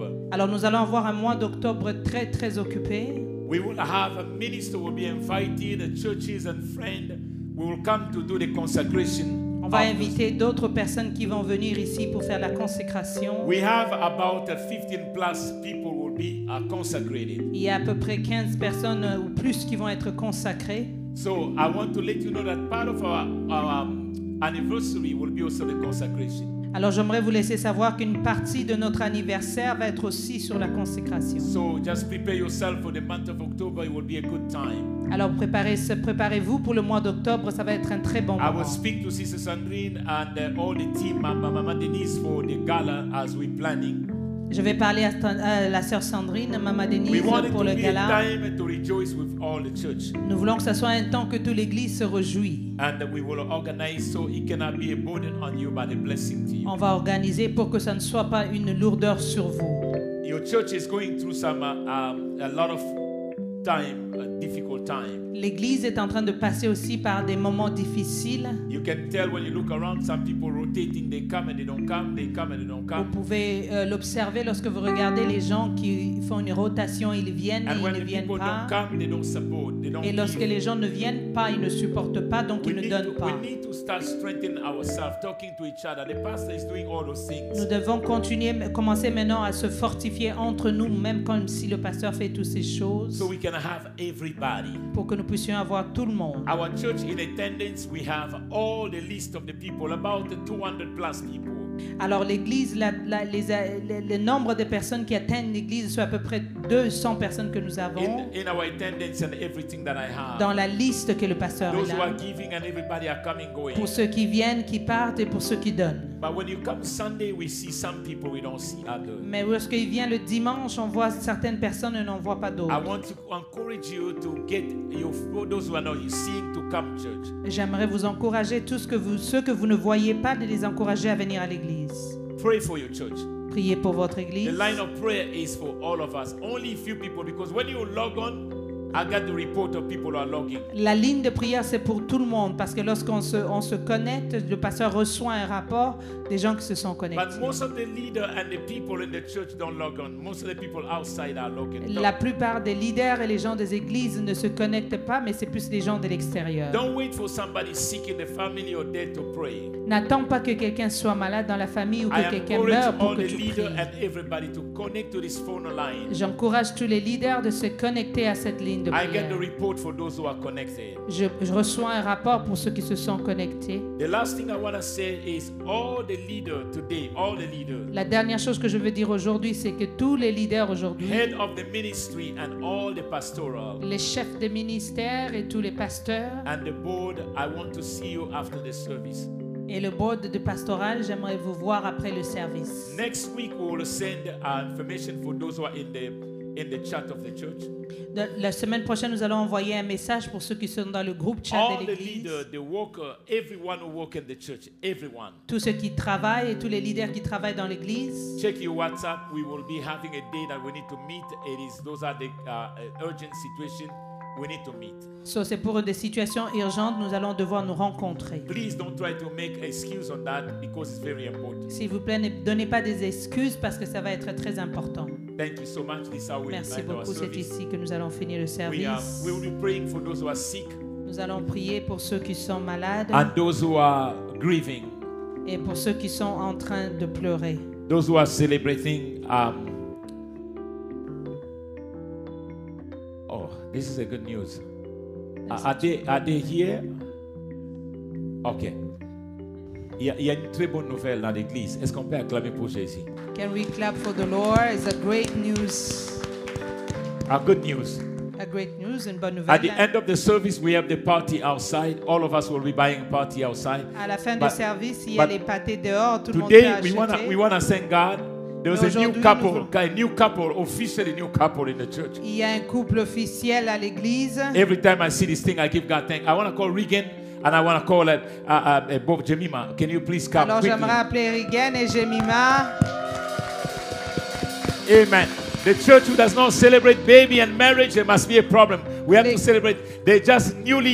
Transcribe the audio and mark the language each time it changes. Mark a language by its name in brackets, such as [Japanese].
[French] Alors nous allons avoir un mois d'octobre très très occupé. [English] We will have a minister will be invited, the churches and friends will come to do the consecration. [French] On va inviter d'autres personnes qui vont venir ici pour faire la consécration. [English] We have about 15 plus people will be consecrated. [French] Il y a à peu près 15 personnes ou plus qui vont être consacrées. [English] So I want to let you know that part of our anniversary will be also the consecration. [French] Alors j'aimerais vous laisser savoir qu'une partie de notre anniversaire va être aussi sur la consécration. [English] So just prepare yourself for the month of October, it will be a good time. [French] Alors préparez-vous pour le mois d'octobre, ça va être un très bon moment. [English] I will speak to Sister Sandrine and all the team, Mama Denise, for the gala as we're planning. [French] Je vais parler à la sœur Sandrine, Mama Denise, pour le gala. [English] We want it to be a time to rejoice with all the church. [French] Nous voulons que ce soit un temps que toute l'Église se réjouit. [English] And we will organize so it cannot be a burden on you, but a blessing to you. [French] On va organiser pour que ça ne soit pas une lourdeur sur vous. [English] Your church is going through some a lot of time, a difficult time. [French] L'Église est en train de passer aussi par des moments difficiles. [English] You can tell when you look around, some people rotating, they come and they don't come, they come and they don't come. [French] Vous pouvez l'observer lorsque vous regardez les gens qui font une rotation, ils viennent [English] and [French] et ils ne viennent pas. [English] Don't come, they don't support, they don't [French] et lorsque [English] give. [French] Les gens ne viennent pas, ils ne supportent pas, donc [English] we [French] ils ne donnent [English] to, [French] pas. [English] We need to start strengthening ourselves, talking to each other. The pastor is doing all those things. [French] Nous devons commencer maintenant à se fortifier entre nous, même comme si le pasteur fait toutes ces choses. [English] So we can have everybody. [French] Pour que nous puissions avoir tout le monde. [English] Our church in attendance, we have all the list of the people, about 200 plus people. [French] Alors l'église, le nombre de personnes qui attendent l'église, c'est à peu près 200 personnes que nous avons. [English] In our attendance and everything that I have. [French] Dans la liste que le pasteur [English] those [French] a. [English] Those who are giving and everybody are coming, going. [French] Pour ceux qui viennent, qui partent et pour ceux qui donnent. [English] But when you come Sunday, we see some people we don't see others. [French] Mais lorsqu'il vient le dimanche, on voit certaines personnes et on voit pas d'autres. [English] I want to encourage you to get your those who are not seeing to come to church. [French] J'aimerais vous encourager ceux que vous ne voyez pas de les encourager à venir à l'église. [English] Pray for your church. [French] Priez pour votre église. [English] The line of prayer is for all of us. Only a few people, because when you log on, I got the report of people who are logging. [French] La ligne de prière c'est pour tout le monde parce que lorsqu'on se connecte, le pasteur reçoit un rapport des gens qui se sont connectés. [English] But most of the leaders and the people in the church don't log on. Most of the people outside are logging. [French] La plupart des leaders et les gens des églises ne se connectent pas, mais c'est plus les gens de l'extérieur. [English] Don't wait for somebody sick in the family or dead to pray. [French] N'attends pas que quelqu'un soit malade dans la famille ou que quelqu'un meure pour que tu pries. [English] I encourage all the leaders and everybody to connect to this phone line. [French] J'encourage tous les leaders de se connecter à cette ligne. [English] I get the report for those who are connected. [French] Je reçois un rapport pour ceux qui se sont connectés. [English] The last thing I want to say is all the leaders today, all the leaders. [French] La dernière chose que je veux dire aujourd'hui, c'est que tous les leaders aujourd'hui. [English] Head of the ministry and all the pastoral. [French] Les chefs de ministère et tous les pasteurs. [English] And the board, I want to see you after the service. [French] Et le board de pastoral, j'aimerais vous voir après le service. [English] Next week we will send information for those who are in the chat of the church. [French] La semaine prochaine, nous allons envoyer un message pour ceux qui sont dans le groupe chat [English] all [French] de l'église. [English] The leaders, the worker, everyone who work in the church, everyone. [French] Tous ceux qui travaillent et tous les leaders qui travaillent dans l'église. [English] Check your WhatsApp. We will be having a day that we need to meet. It is those are the urgent situation we need to meet. [French] So, c'est pour des situations urgentes, nous allons devoir nous rencontrer. [English] Please don't try to make excuses on that because it's very important. [French] S'il vous plaît, ne donnez pas des excuses parce que ça va être très important. [English] Thank you so much. This is how we [French] merci beaucoup, [English] our [French] c'est [English] service. [French] Ici que nous allons finir le service. [English] We will be praying for those who are sick. [French] Nous allons prier pour ceux qui sont malades. [English] And those who are grieving. [French] et pour ceux qui sont en train de pleurer. [English] Those who are celebrating. Oh, this is a good news. Are they here? Okay. [French] Il y a une très bonne nouvelle dans l'église. Est-ce qu'on peut acclamer pour Jésus? [English] Can we clap for the Lord? It's a great news. A good news. A great news and [French] bonne nouvelle. [English] At the end of the service, we have the party outside. All of us will be buying party outside. [French] À la fin du service, il y a les pâtés dehors. Tout [English] today, [French] le monde peut acheter. [English] We wanna thank God. There was a new couple, officially new couple in the church. [French] Il y a un couple officiel à l'église. [English] Every time I see this thing, I give God thanks. I wanna call Regan. And I want to call it Bob Jemima. Can you please come? [French] Alors, j'aimerais appeler Regan et Jemima. [English] Amen. The church who does not celebrate baby and marriage, there must be a problem. We have to celebrate. They're just newly.